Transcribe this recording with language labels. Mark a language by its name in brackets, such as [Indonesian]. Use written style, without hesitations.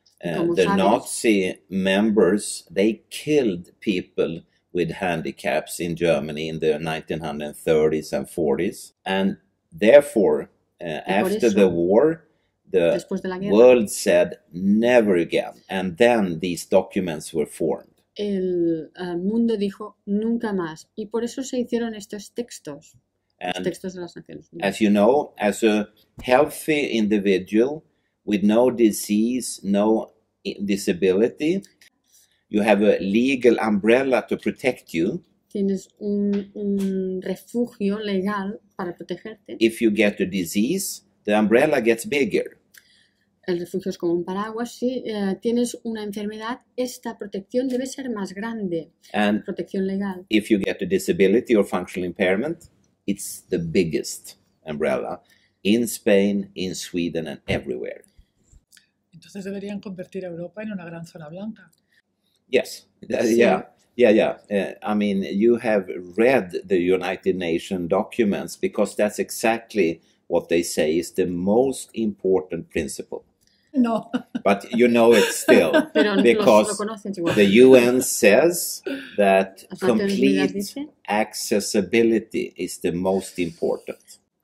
[English] the Nazi members, they killed people with handicaps in Germany in the 1930s and 40s. And therefore, after the war, the world said, never again. And then these documents were formed. [Spanish] El mundo dijo nunca más, y por eso se hicieron estos textos, [English] and [Spanish] los textos de las Naciones Unidas. [English] As you know, as a healthy individual with no disease, no disability, you have a legal umbrella to protect you. [Spanish] Tienes un refugio legal para protegerte. [English] If you get a disease, the umbrella gets bigger. [Spanish] El refugio es como un paraguas. Si tienes una enfermedad, esta protección debe ser más grande. [English] And [Spanish] protección legal. [English] If you get a disability or functional impairment, it's the biggest umbrella in Spain, in Sweden, and everywhere. [Spanish] Entonces deberían convertir a Europa en una gran zona blanca. [English] Yes. Yeah. I mean, you have read the United Nations documents because that's exactly what they say is the most important principle. No. But you know it still. [Spanish] Pero [English] because [Spanish] lo conocen, igual. [English] The UN says that complete accessibility is the most important.